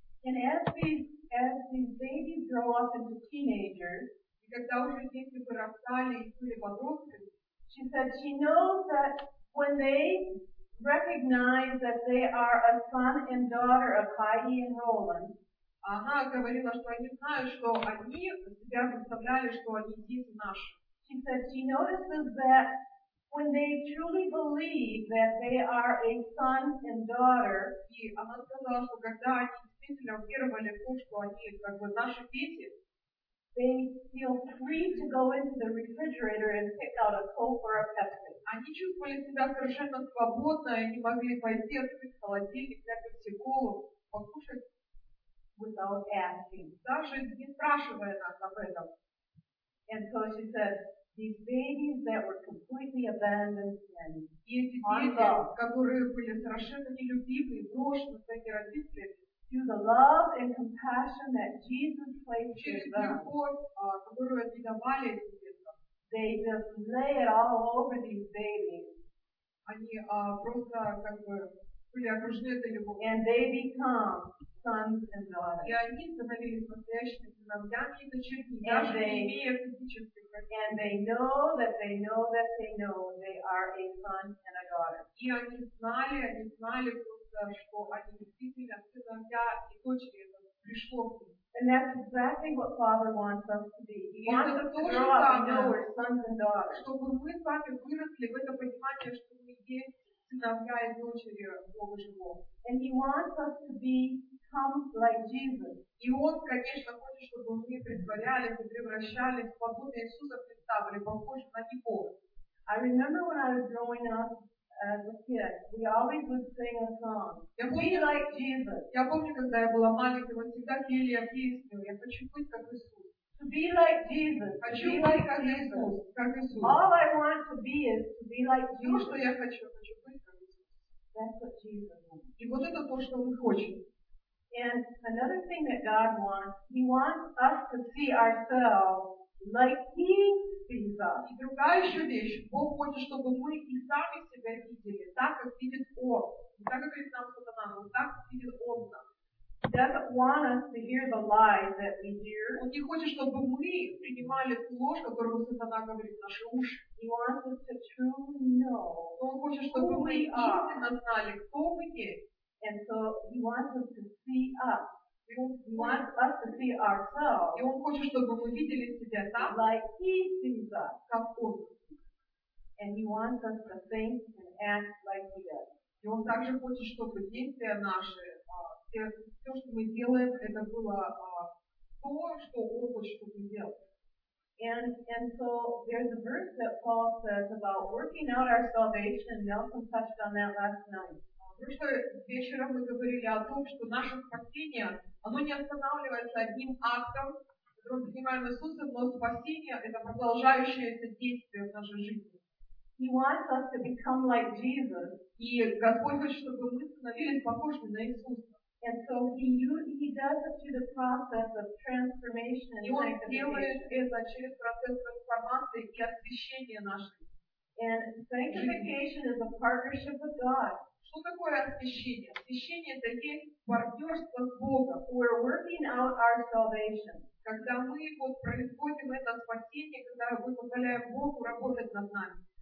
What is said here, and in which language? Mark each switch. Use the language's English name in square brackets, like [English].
[English] And as these babies grow up into teenagers, [Russian] и когда уже дети вырастали и были подростками, [English] she said she knows that when they recognize that they are a son and daughter of Heidi and Roland, [Russian] она говорила, что они знают, что они себя представляли, что они дети наши. [English] She said she notices that when they truly believe that they are a son and daughter, [Russian] и она сказала, что когда они действительно уверовали в то, что они как бы наши дети, [English] they feel free to go into the refrigerator and pick out a Coke or a Pepsi. [Russian] Они чувствовали себя совершенно свободно, и они могли пойти открыть холодильник, взять Пепси-Колу, покушать. [English] Without asking. [Russian] Даже не спрашивая нас об этом. [English] And so she said, these babies that were completely abandoned and [Russian] которые были совершенно нелюбимы и брошены своими родителями, [English] through the love and compassion that Jesus placed in them, [Russian] через любовь, которую они давали детям, [English] they just lay it all over these babies. [Russian] Они просто как бы были окружены этой любовью. [English] And they become sons and daughters. [Russian] И они становились настоящими сыновьями и дочерьми, даже не имея физических родителей. [English] And they know that they know that they know they are a son and a daughter. [Russian] И они знали просто, что они действительно сыновья и дочери, это пришло к ним. [English] And that's exactly what Father wants us to be. He wants us to grow up and know we're sons and daughters. [Russian] Чтобы мы с вами выросли в это понимание, что мы есть сыновья и дочери Бога Живого. [English] And he wants us to become like Jesus. [Russian] И он, конечно, хочет, чтобы мы притворялись и превращались в подобие Иисуса Христа, были похожи на Него. [English] I remember when I was growing up as a kid, we always would sing a song. Be like Jesus. [Russian] Я помню, когда я была маленькой, мы всегда пели песню. Я хочу быть как Иисус. [English] To be like Jesus. [Russian] Хочу [English] be [Russian] быть [English] like [Russian] как Иисус. Как Иисус. [English] All I want to be is to be like Jesus. [Russian] То, что я хочу быть как Иисус. [English] That's what Jesus wants. [Russian] И вот это то, что мы хотим. [English] And another thing that God wants, He wants us to see ourselves like He sees us. [Russian] И другая еще вещь. Бог хочет, чтобы мы и сами себя видели, так как видит Он. Не так, как говорит нам Сатана, но так, как видит Он нас. [English] He doesn't want us to hear the lies that we hear. [Russian] Он не хочет, чтобы мы принимали ту ложь, которую Сатана говорит в наши уши. [English] He wants us to truly know. [Russian] Но Он хочет, чтобы мы истинно знали, кто мы есть. [English] And so He wants us to see us. He wants us to see ourselves. [Russian] И Он хочет, чтобы мы видели себя так, [English] like He sees us. [Russian] Как Он. [English] And He wants us to think and act like He does. [Russian] И Он также хочет, чтобы действия наши, все, что мы делаем, это было то, что Он хочет, чтобы мы делали. [English] And so there's a verse that Paul says about working out our salvation, and Nelson touched on that last night. [Russian] Потому что вечером мы говорили о том, что наше спасение, оно не останавливается одним актом, которым занимаем Иисуса, но спасение — это продолжающееся действие в нашей жизни. [English] He wants us to become like Jesus. [Russian] И Господь хочет, чтобы мы становились похожими на Иисуса. [English] And so he does it through the process of transformation and sanctification. [Russian] И Он делает это через процесс трансформации и освящения нашей. [English] And sanctification is a partnership with God. [Russian] Что такое освящение? Освящение — это есть партнерство с Богом. [English] We're working out our salvation. [Russian] Когда мы вот производим это спасение, когда мы позволяем Богу работать над нами.